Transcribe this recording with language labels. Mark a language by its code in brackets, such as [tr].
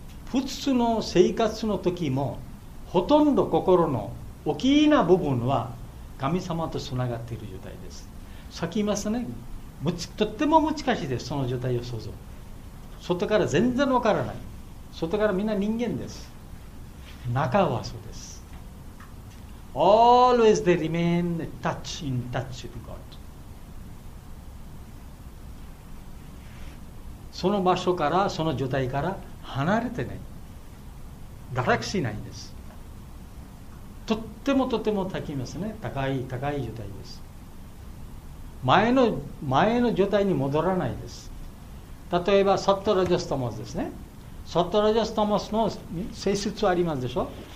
[ja] 普通の生活の時もほとんど心の大きな部分は神様とつながっている状態です。さっき言いましたね、とっても難しいです。その状態を想像、外から全然わからない。外からみんな人間です。中はそうです。 [en] Always they remain touch in touch with God。 [ja] その場所から、その状態から離れてない、堕落しないんです。とってもとても高いですね、高い高い状態です。前の状態に戻らないです。例えばサットラジャスタマスですね、サットラジャスタマスの性質はありますでしょ。